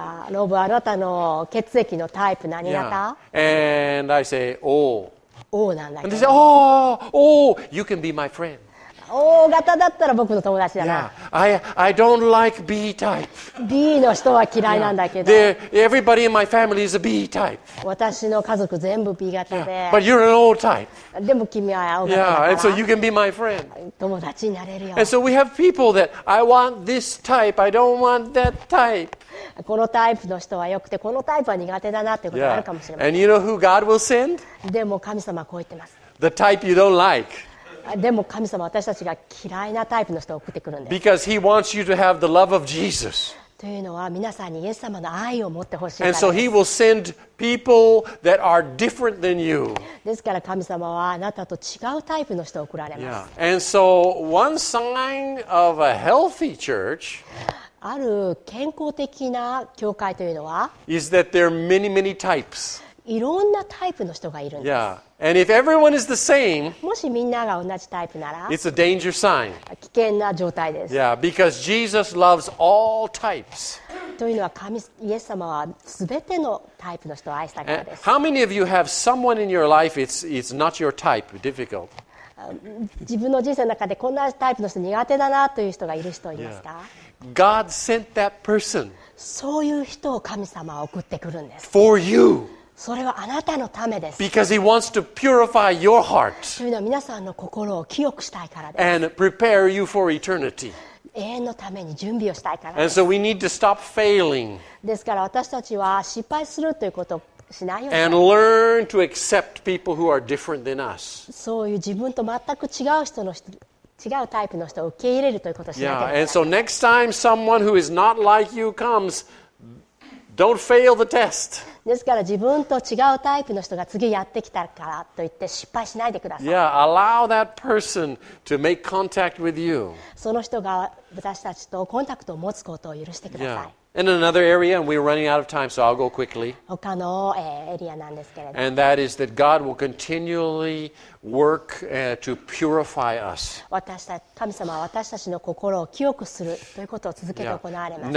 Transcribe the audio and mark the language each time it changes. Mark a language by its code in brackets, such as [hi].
[ja] ロブ、あなたの血液のタイプ何型？ [en] Yeah. And I say, O. [ja] O なんだ。 [en] And they say, Oh, you can be my friend. [ja] O 型だったら僕の友達だな。 [en] Yeah. I don't like B type. [ja] B の人は嫌いなんだけど。 [en] Yeah. Everybody in my family is a B type. [ja] 私の家族全部 B 型で。 [en] Yeah. But you're an O type. [ja] でも君は青型だから。 [en] Yeah. And so you can be my friend. [ja] 友達になれるよ。 [en] And so we have people that I want this type, I don't want that type. [ja] このタイプの人は良くてこのタイプは苦手だなっていうことがあるかもしれません。 [en] And you know who God will send? [ja] でも神様はこう言ってます。 [en] The type you don't like. [ja] でも神様は私たちが嫌いなタイプの人を送ってくるんです。 [en] Because He wants you to have the love of Jesus. [ja] というのは皆さんにイエス様の愛を持ってほしいから。 [en] And so He will send people that are different than you. [ja] ですから神様はあなたと違うタイプの人を送られます。 [en] And so one sign of a healthy church. [ja] ある健康的な教会というのは [en] is that there are many, many types. [ja] いろんなタイプの人がいるんです。 [en] Yeah. And if everyone is the same, [ja] もしみんなが同じタイプなら [en] it's a danger sign. [ja] 危険な状態です。 [en] Yeah. Because Jesus loves all types. [ja] というのは神、イエス様は全てのタイプの人を愛したからです。 [en] And how many of you have someone in your life it's not your type? Difficult. [ja] 自分の人生の中でこんなタイプの人苦手だなという人がいる人いますか、yeah. [en] God sent that person [ja] そういう人を神様は送ってくるんです [en] For you. [ja] それはあなたのためです [en] Because he wants to purify your heart. [ja] というのは皆さんの心を清くしたいからです [en] And prepare you for eternity. [ja] 永遠のために準備をしたいからです [en] And so we need to stop failing. [ja] ですから私たちは失敗するということをしないよね、 [en] and learn to accept people who are different than us. [ja] そういう自分と全く違う人の人、違うタイプの人を受け入れるということをしなければ。 [en] Yeah, and so next time someone who is not like you comes, don't fail the test. [ja] ですから自分と違うタイプの人が次やってきたからといって失敗しないでください。 [en] Yeah, allow that person to make contact with you. [ja] その人が私たちとコンタクトを持つことを許してください。 [en] Yeah. And another area, and we're running out of time, so I'll go quickly. [ja] 他の、エリアなんですけれど。 [en] And that is that God will continually work, to purify us. [ja] 神様は私たちの心を清くするということを続けて行われます。